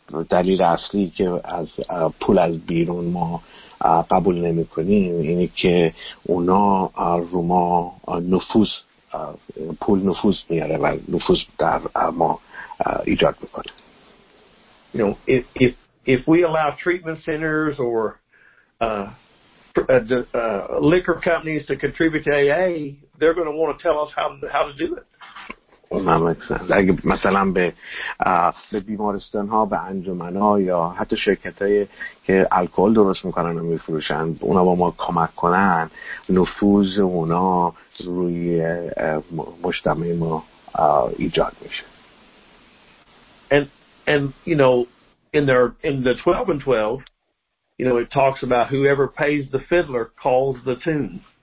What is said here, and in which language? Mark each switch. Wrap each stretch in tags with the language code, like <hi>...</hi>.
<fa>دلیل اصلی که از پول از بیرون ما قبول نمی کنیم اینه که اونا رو ما نفوذ، پول نفوذ میاره و نفوذ در ما ایجاد میکنه.</fa> <en>You know, if we allow treatment centers or liquor companies to contribute to AA, they're going to want to tell us how to do it.</en> <fa>اگه مثلا به بیمارستان ها، به انجمن ها یا حتی شرکت های که الکل درست میکنن و میفروشن، اونا با ما کمک کنن، نفوذ اونا روی مجتمع ما ایجاد میشه.</fa> <en>And you know, in the 12 and 12, you know, it talks about whoever pays the fiddler calls the tune.</en>